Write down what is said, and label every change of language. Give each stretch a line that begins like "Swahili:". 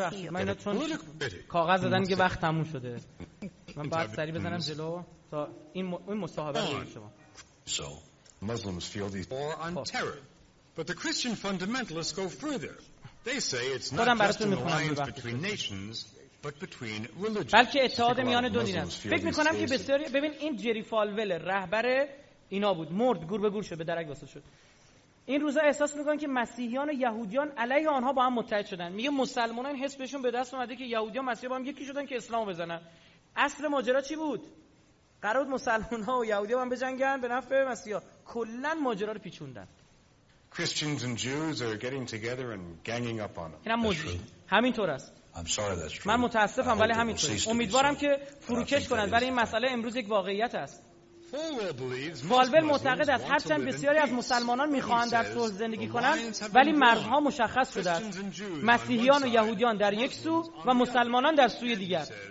Persian: من اینا چون کاغذ دادن که وقت تموم شده، من باید سریع بزنم جلو تا این مصاحبه رو بگیم شما.
English: So Muslims feel these war on terror, but the Christian fundamentalists go further. They say it's not just an alliance between nations, but between religions.
Persian: بلکه اتحاد میان دو دین است. فکر می‌کنم که بسیاری، ببین این جری فالول رهبر اینا بود، مرد گور به گور شد، به درک واسه شد. این روزا احساس می‌کنن که مسیحیان و یهودیان علیه آنها با هم متحد شدن. میگه مسلمانان این حس بهشون به دست اومده که یهودیا مسیحی با هم یکی شدن که اسلامو بزنن. اصل ماجرا چی بود؟ قرار بود مسلمان‌ها و یهودی‌ها با هم بجنگن به نفع مسیحا. کلاً ماجرا رو پیچوندن.
English: Christians and Jews are getting together and ganging up on them.
Persian: همینطور است. من متاسفم ولی همینطوره. امیدوارم که فروکش کنند، ولی این مسئله امروز یک واقعیت است. فالول معتقد است هرچند بسیاری از مسلمانان می‌خواهند در صلح زندگی کنند، ولی مرزها مشخص شده است. مسیحیان و یهودیان در یک سو و مسلمانان در سوی دیگر.